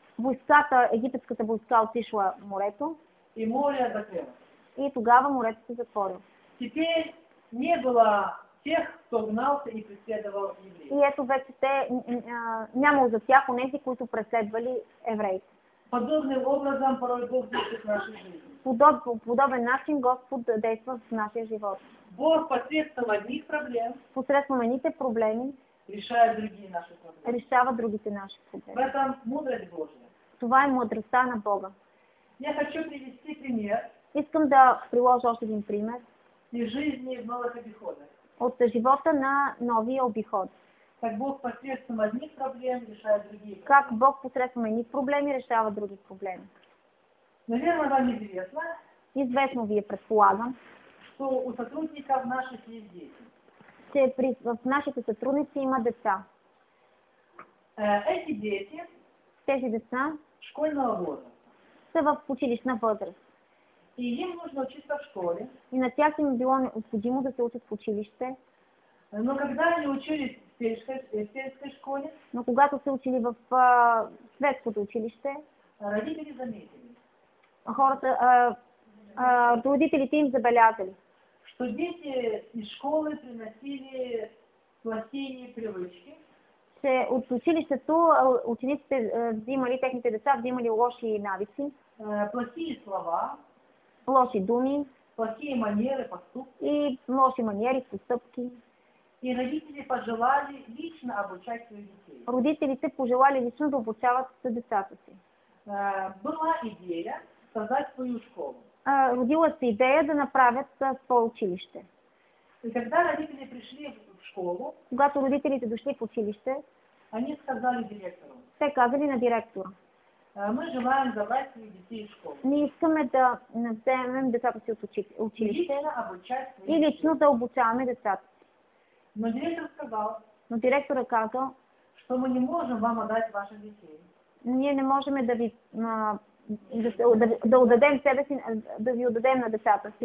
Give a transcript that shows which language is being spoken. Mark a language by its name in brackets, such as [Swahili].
[Bulgarian] Войската, египетската войска отишла в морето. [Russian] И море закрило. [Bulgarian] И тогава морето се затворило. [Russian] Теперь не было тех, кто гнался и преследовал евреев. [Bulgarian] И ето вече те нямало за тях онези, които преследвали евреите. [Russian] Подобным образом порой Бог действует в нашей жизни. [Bulgarian] Подобен начин Господ действа в нашия живот. [Russian] Бог посредством одних проблем. [Bulgarian] Посредством едните проблеми. [Russian] Решает другие наши проблемы. [Bulgarian] Решава другите наши проблеми. [Russian] В этом мудрость Божия. [Bulgarian] Това е мудростта на Бога. [Russian] Я хочу привести пример. [Bulgarian] Искам да приложа още един пример. [Russian] И жизни в новых обиходах. [Bulgarian] От живота на новия обиход. [Russian] Как Бог посредством одних проблем решает другие проблемы. [Bulgarian] Как Бог посредством едни проблеми решава други проблеми. [Russian] Наверное, вам известно. [Bulgarian] Известно ви е, предполагам. [Russian] Что у сотрудников наших есть дети. [Bulgarian] Че в нашите сотрудници има деца. [Russian] Эти дети. [Bulgarian] Тези деца. [Russian] Школьного возраста. [Bulgarian] Са в училищна възраст. [Russian] И им нужно учиться в школе. [Bulgarian] И на тях им било необходимо да се учат в училище. [Russian] Но когда они учились в сельской школе, [Bulgarian] но когато се учили в светското училище, [Russian] родители заметили. [Bulgarian] Хората, родителите им забелязали. [Russian] Что дети из школы приносили плохие привычки. [Bulgarian] Че от училището учениците взимали, техните деца взимали лоши навици. [Russian] Плохие слова. [Bulgarian] Лоши думи. [Russian] Плохие манеры, поступки. [Bulgarian] И лоши манери, поступки. [Russian] И родители пожелали лично обучать своих детей. [Bulgarian] Родителите пожелали лично да обучават децата си. [Russian] Была идея создать свою школу. [Bulgarian] Родила се идея да направят свое училище. [Russian] И когда родители пришли в школу, [Bulgarian] когато родителите дошли в училище, [Russian] они сказали директору. [Bulgarian] Те казали на директора. [Russian] Мы желаем забрать своих детей в школу. [Bulgarian] Не искаме да вземем децата си от училище. [Russian] И лично обучать своих [Bulgarian] детей. И лично да обучаваме децата. [Russian] Но директор сказал, [Bulgarian] но директора казал, [Russian] что мы не можем вам отдать ваших детей. [Bulgarian] Ние не можем да отдадем себе си, да ви отдадем на децата си.